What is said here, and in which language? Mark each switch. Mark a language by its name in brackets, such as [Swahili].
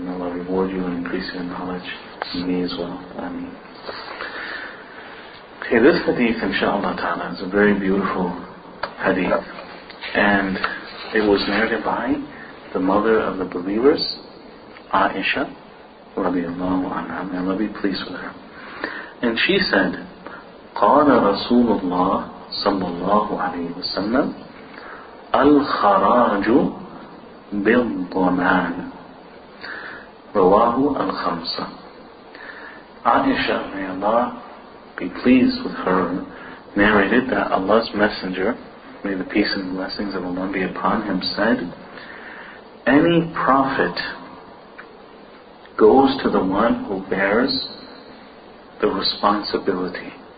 [English] May Allah reward you and increase your knowledge. Me as well. Ameen. Okay, this hadith, inshallah ta'ala, is a very beautiful hadith. And it was narrated by the mother of the believers, Aisha, radiallahu anha. May Allah be pleased with her. And she said, [Arabic] قال رسول الله صلى الله عليه وسلم الخراج بالضمان رواه الخمسة. [English] Aisha, may Allah be pleased with her, narrated that Allah's Messenger, may the peace and blessings of Allah be upon him, said, any prophet goes to the one who bears the responsibility.